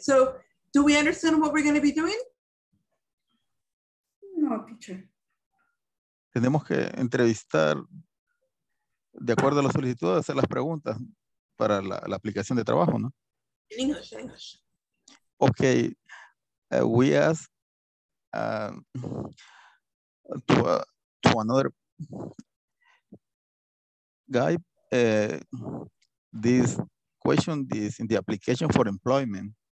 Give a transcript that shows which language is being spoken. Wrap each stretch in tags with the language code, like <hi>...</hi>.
<en>So, do we understand what we're going to be doing? No, teacher.</en> <es>Tenemos que entrevistar de acuerdo a la solicitud, hacer las preguntas para la aplicación de trabajo, ¿no?</es> <en>In English. Okay. We ask to another guy this question this in the application for employment.</en>